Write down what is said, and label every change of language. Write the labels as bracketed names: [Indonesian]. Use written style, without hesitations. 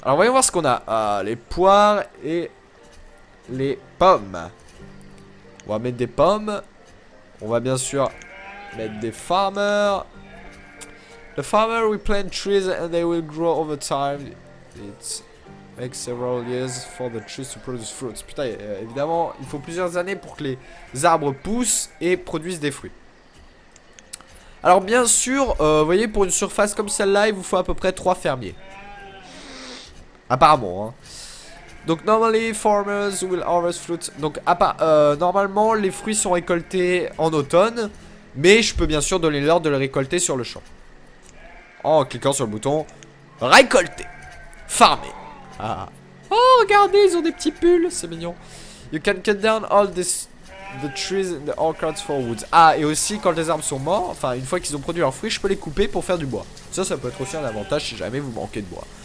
[French] Alors voyons voir ce qu'on a. Les poires et les pommes. On va mettre des pommes. On va bien sûr mettre des farmers. [English] The farmer will plant trees and they will grow over time. It makes several years for the trees to produce fruits. [French] Putain, évidemment, il faut plusieurs années pour que les arbres poussent et produisent des fruits. Alors bien sûr, vous voyez, pour une surface comme celle-là, il vous faut à peu près 3 fermiers. Apparemment, hein. Donc [English] normally farmers will harvest fruits. [French] Donc normalement les fruits sont récoltés en automne, mais je peux bien sûr donner l'ordre de les récolter sur le champ en cliquant sur le bouton récolter, farmer. Ah. Oh regardez, ils ont des petits pulls, c'est mignon. [English] You can cut down all this, the trees and the orchards for wood. [French] Ah, et aussi quand les arbres sont morts, enfin une fois qu'ils ont produit leurs fruits, je peux les couper pour faire du bois. Ça peut être aussi un avantage si jamais vous manquez de bois.